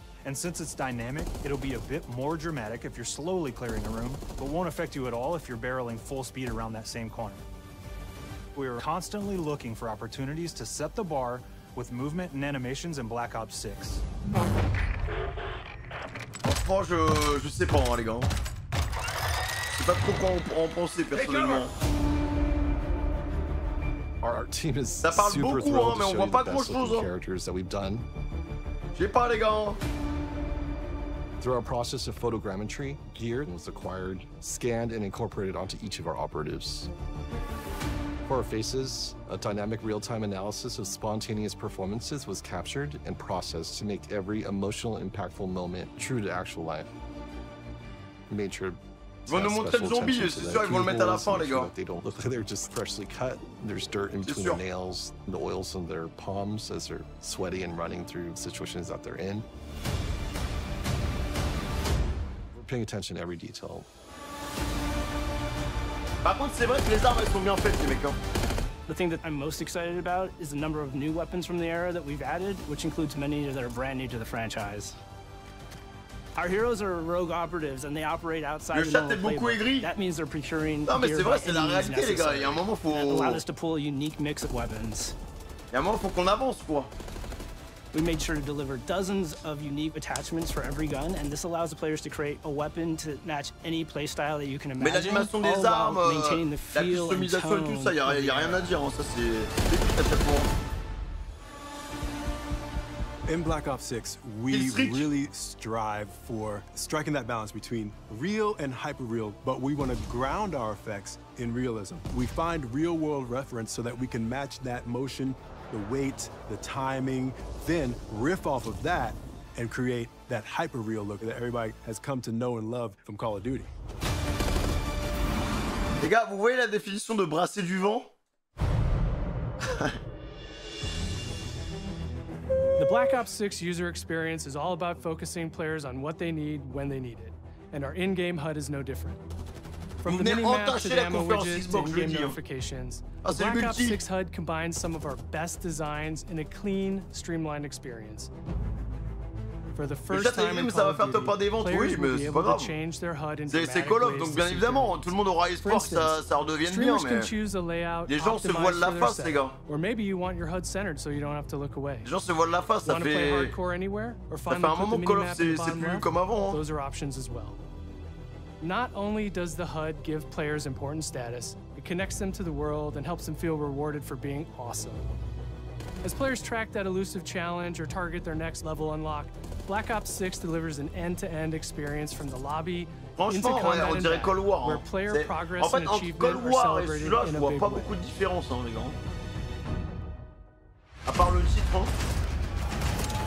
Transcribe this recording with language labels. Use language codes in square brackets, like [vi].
[en] And since it's dynamic, it'll be a bit more dramatic if you're slowly clearing a room, but won't affect you at all if you're barreling full speed around that same corner. We are constantly looking for opportunities to set the bar with movement and animations in Black Ops 6. [fr] Franchement, je sais pas, hein, les gars. Je sais pas trop quoi en penser personnellement. [en] Our team is [fr] ça parle super beaucoup, hein, mais on voit pas grand chose. [en] Characters that we've done. [fr] J'ai pas, les gars. [en] Through our process of photogrammetry, gear was acquired, scanned, and incorporated onto each of our operatives. For our faces, a dynamic real-time analysis of spontaneous performances was captured and processed to make every emotional, impactful moment true to actual life. We made sure. [fr] Ils vont nous montrer le zombie, c'est sûr, ils vont le mettre à la fin, les gars. [en] They don't look like they're just freshly cut. There's dirt in between the nails, the oils on their palms as they're sweaty and running through situations that they're in. paying attention to every detail. [fr] Par contre, c'est vrai que les armes elles sont bien faites, les mecs. Hein. [en] The thing that I'm most excited about is the number of new weapons from the era that we've added, which includes many that are brand new to the franchise. Our heroes are rogue operatives and they operate outside the normal playbook. That means they're procuring gear by any means necessary. [fr] Non, mais c'est vrai, c'est la réalité, les gars. Il y a un moment faut. [en] And allow us to pull a unique mix of weapons. [fr] Il y a un moment faut qu'on avance, quoi. [en] We made sure to deliver dozens of unique attachments for every gun, and this allows the players to create a weapon to match any playstyle that you can imagine. [fr] Mais l'animation des armes, la customisation et tout ça, y a rien à dire. Hein. Ça c'est tellement. [en] In Black Ops 6, we really strive for striking that balance between real and hyper-real, but we want to ground our effects in realism. We find real-world reference so that we can match that motion, the weight, the timing, then riff off of that and create that hyper-real look that everybody has come to know and love from Call of Duty. [fr] Les gars, vous voyez la définition de brasser du vent? [en] The Black Ops 6 user experience is all about focusing players on what they need when they need it. And our in-game HUD is no different. From the mini-map to the ammo widgets to in-game notifications, the Black Ops 6 HUD combines some of our best designs in a clean, streamlined experience. For the first time in Call of Duty, players will be able to change their HUD in dramatic ways to suit their needs. For instance, streamers can choose a layout optimized for their setup, or maybe you want your HUD centered so you don't have to look away. Want to play hardcore anywhere, or finally put the minimap in the bottom left? Those are options as well. Not only does the HUD give players important status, it connects them to the world and helps them feel rewarded for being awesome. As players track that elusive challenge or target their next level unlock, Black Ops 6 delivers an end-to-end experience from the lobby into combat and back, where player progress and achievement are celebrated in a big way. [fr] Je vois pas beaucoup de différence, hein, les gars. À part le titre. Hein.